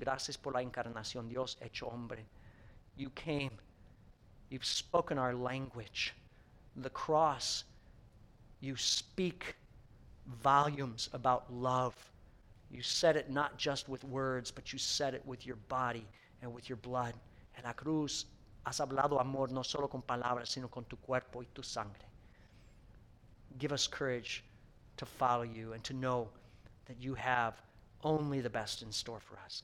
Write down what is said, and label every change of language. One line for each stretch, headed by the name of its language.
Spanish: Gracias por la encarnación, Dios hecho hombre.
English: You came. You've spoken our language. The cross, you speak volumes about love. You said it not just with words, but you said it with your body and with your blood.
Spanish: En la cruz, has hablado amor no solo con palabras, sino con tu cuerpo y tu sangre.
English: Give us courage to follow you and to know that you have only the best in store for us.